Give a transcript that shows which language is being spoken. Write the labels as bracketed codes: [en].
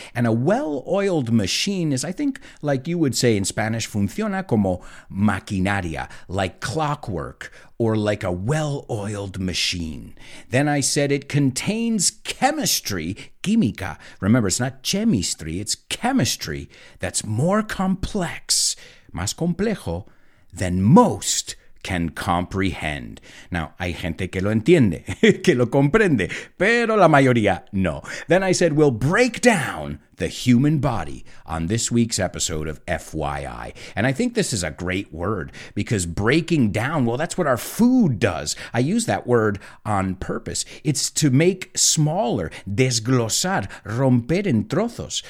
[en] And a well-oiled machine is, I think, like you would say in Spanish, [es] funciona como maquinaria, [en] like clockwork, or like a well-oiled machine. Then I said it contains chemistry, química. Remember, it's not chemistry, it's chemistry that's more complex, [es] más complejo, [en] than most can comprehend. [es] Now, hay gente que lo entiende, que lo comprende, pero la mayoría no. [en] Then I said, we'll break down the human body on this week's episode of FYI. And I think this is a great word because breaking down, well, that's what our food does. I use that word on purpose. It's to make smaller, [es] desglosar, romper en trozos.